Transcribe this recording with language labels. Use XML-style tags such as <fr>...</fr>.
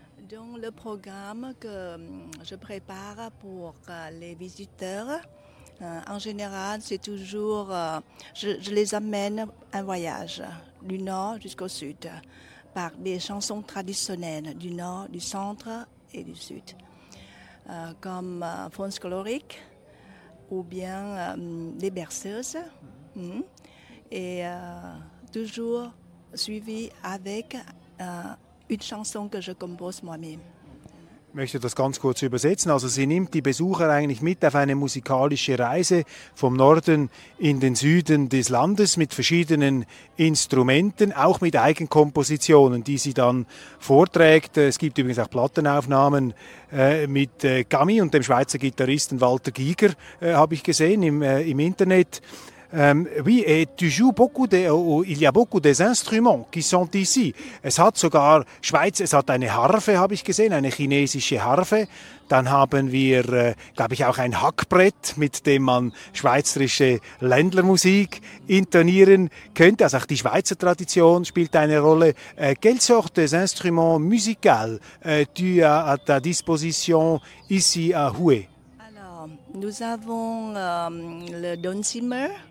<fr>Donc le programme que je prépare pour les visiteurs, en général, c'est toujours, je les amène un voyage du nord jusqu'au sud par des chansons traditionnelles du nord, du centre et du sud, comme fonds colorique ou bien des berceuses, et toujours suivi avec une chanson que je compose moi-même.</fr> <de>Ich möchte das ganz kurz übersetzen. Also sie nimmt die Besucher eigentlich mit auf eine musikalische Reise vom Norden in den Süden des Landes mit verschiedenen Instrumenten, auch mit Eigenkompositionen, die sie dann vorträgt. Es gibt übrigens auch Plattenaufnahmen mit Gami und dem Schweizer Gitarristen Walter Giger, habe ich gesehen im Internet.</de> <fr>Oui, et tu joues beaucoup de, il y a beaucoup des instruments qui sont ici.</fr> <de>Es hat sogar Schweiz, es hat eine Harfe, habe ich gesehen, eine chinesische Harfe. Dann haben wir, glaube ich, auch ein Hackbrett, mit dem man schweizerische Ländlermusik intonieren könnte. Also auch die Schweizer Tradition spielt eine Rolle.</de> <fr>Quelle sorte d'instrument musical tu as à ta disposition ici à Huy? Alors, nous avons le dulcimer.</fr>